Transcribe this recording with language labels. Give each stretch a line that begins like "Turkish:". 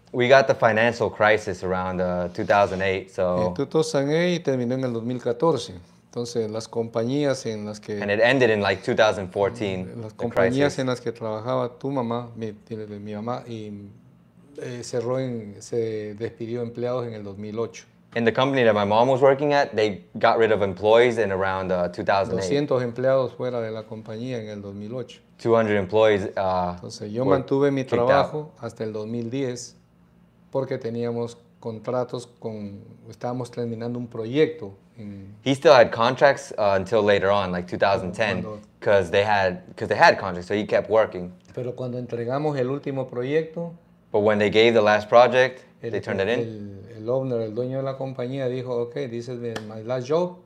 English: We got the financial crisis around 2008, so.
Spanish: En 2008 y terminó en el 2014. Entonces las compañías en las que.
English: And it ended in like 2014.
Spanish: Las compañías en las que trabajaba tu mamá, mi mamá y se despidió empleados en el 2008.
English: In the company that my mom was working at, they got rid of employees in around 2008.
Spanish: 200 empleados fuera de la compañía en el 2008.
English: 200 employees.
Spanish: Entonces, yo mantuve mi trabajo hasta el 2010 porque teníamos contratos con, estábamos terminando un proyecto.
English: He still had contracts until later on, like 2010, because they had contracts, so he kept working.
Spanish: Pero cuando entregamos el último proyecto.
English: But when they gave the last project, they turned it in.
Spanish: El owner, el dueño de la compañía, dijo,
English: okay, this is my last job.